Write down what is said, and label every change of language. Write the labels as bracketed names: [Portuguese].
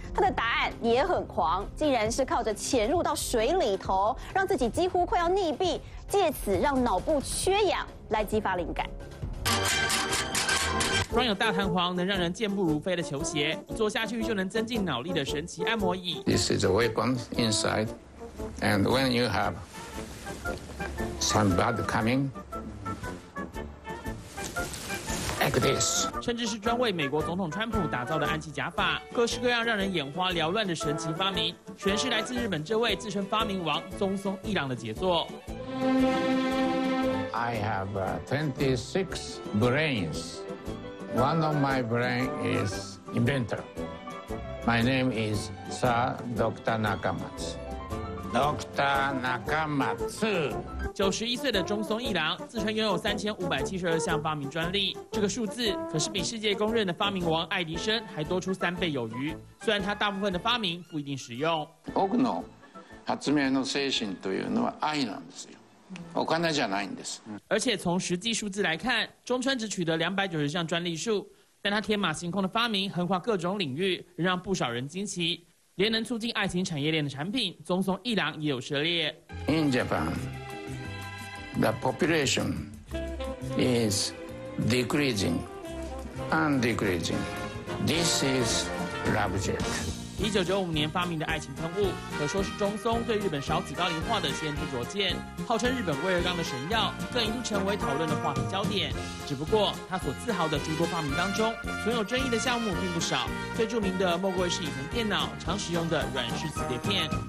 [Chinese] 他的答案也很狂，竟然是靠着潜入到水里头，让自己几乎快要溺毙，借此让脑部缺氧来激发灵感。装有大弹簧能让人健步如飞的球鞋，坐下去就能增进脑力的神奇按摩椅。 [English] This is a weapon inside, and when you have some blood coming. [Chinese] 甚至是专为美国总统川普打造的暗器假发，各式各样让人眼花缭乱的神奇发明，全是来自日本这位自称发明王宗松一郎的杰作。 [English] I have 26 brains. One of my brain is inventor. My name is Sir Dr. Nakamatsu. [Chinese] 91岁的宗松一郎自称拥有3572项发明专利，这个数字可是比世界公认的发明王爱迪生还多出三倍有余。虽然他大部分的发明不一定实用， [Japanese] 多くの発明の精神というのは愛なんですよ。お金じゃないんです。 [Chinese] 而且从实际数字来看，中村只取得290项专利数，但他天马行空的发明横跨各种领域，让不少人惊奇。连能促进爱情产业链的产品，宗松一郎也有涉猎。 [English] In Japan, the population is decreasing and decreasing. This is love jet. [Chinese] 1995年发明的爱情喷雾，可说是宗松对日本少子高龄化的先知灼见，号称日本威尔刚的神药，更一度成为讨论的话题焦点。只不过，他所自豪的诸多发明当中，存有争议的项目并不少。最著名的莫过于是以前电脑常使用的软式磁碟片。